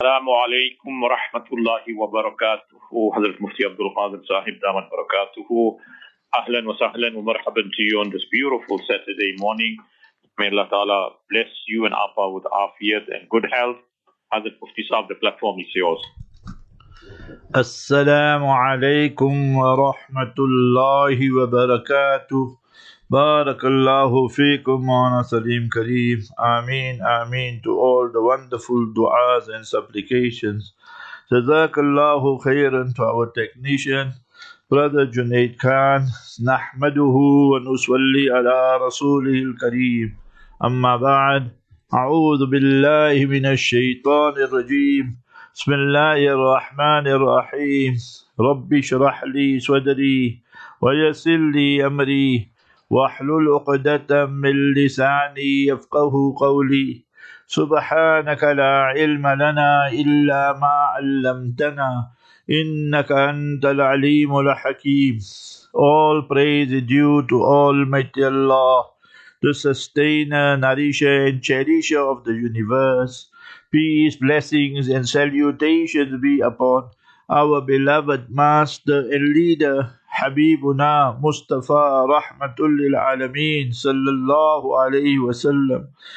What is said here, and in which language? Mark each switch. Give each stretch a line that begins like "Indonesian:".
Arabic: السلام عليكم ورحمة الله وبركاته. حضرت مفتي عبد القادر صاحب دام بركاته، أهلا وسهلا ومرحبا
English: to you on this beautiful Saturday morning. May Allah Ta'ala bless you and Appa with afiyat and good health.
Arabic: حضرت مفتي صاحب,
English: the platform is yours.
Arabic: السلام عليكم ورحمة الله وبركاته. بارك الله فيكم وانا سليم كريم. آمين آمين
English: to all the wonderful du'as and supplications.
Arabic: جزاك الله خيرا
English: to our technician, brother Junaid Khan.
Arabic: نحمده ونصلي على رسوله الكريم. أما بعد, أعوذ بالله من الشيطان الرجيم. بسم الله الرحمن الرحيم. ربي اشرح لي صدري ويسر لي أمري واحلل عقدة من لساني يفقه قولي. سبحانك لا علم لنا إلا ما علمتنا إنك أنت العليم الحكيم.
English: All praise is due to Almighty Allah, the sustainer, nourisher and cherisher of the universe. Peace, blessings and salutations be upon our beloved master and leader, Habibuna Mustafa Rahmatul Lil Alameen Sallallahu Alaihi Wasallam.